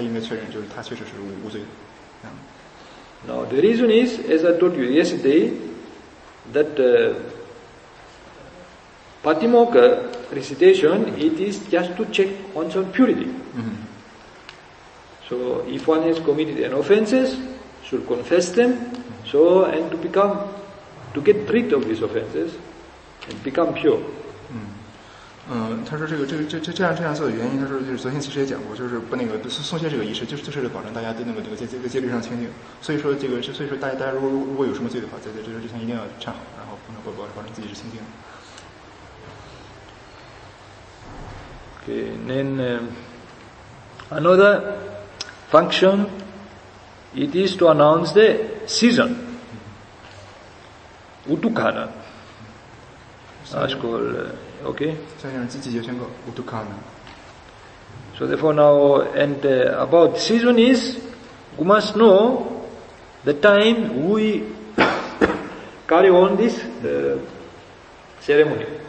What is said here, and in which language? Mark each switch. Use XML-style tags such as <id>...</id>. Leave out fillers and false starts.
<zh>比方说这个不能参加比库，他实际上是有罪的话，那他应该先对他要那个与清净的这个比库忏罪，忏罪把罪忏清净之后，然后对这个比库去宣告说，我现在是清净的，无罪的，请代替我的清净，请僧团代替我的清净，然后这个代清净的这个比库他应该确认就是他确实是无罪的。</zh> <en>Now the reason is, as I told you yesterday, that Patimokkha recitation it is just to check one's own purity. Mm-hmm. So if one has committed an offences, should confess them, so and to become, to get rid of these offences, and become pure.</en> <zh>他说这样的原因，他说就是昨天其实也讲过，就是不那个送献这个仪式，就是保证大家的那个戒律上清净。所以说大家如果有什么罪的话，在这个之前一定要忏好，然后保证自己是清净。</zh> <en>Okay, then another function, it is to announce the season. Utukana. So therefore now, and about season is, we must know the time we carry on this ceremony.</en>